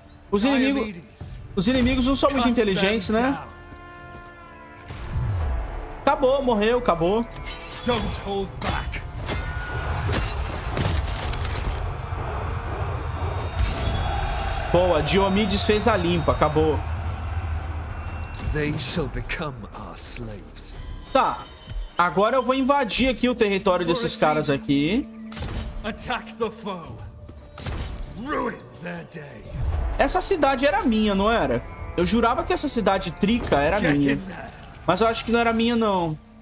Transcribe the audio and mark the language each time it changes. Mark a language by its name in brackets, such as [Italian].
[Portuguese] Os inimigos não são muito inteligentes, né? Acabou, morreu, acabou. [English] Don't hold back. [Portuguese] Boa, Diomedes fez a limpa, acabou. [English] They shall become our slaves. [Portuguese] Tá. Agora eu vou invadir aqui o território desses caras aqui. [English] Attack the foe. Ruin their day. [Portuguese] Essa cidade era minha, não era? Eu jurava que essa cidade trica era minha. Mas eu acho que não era minha, não.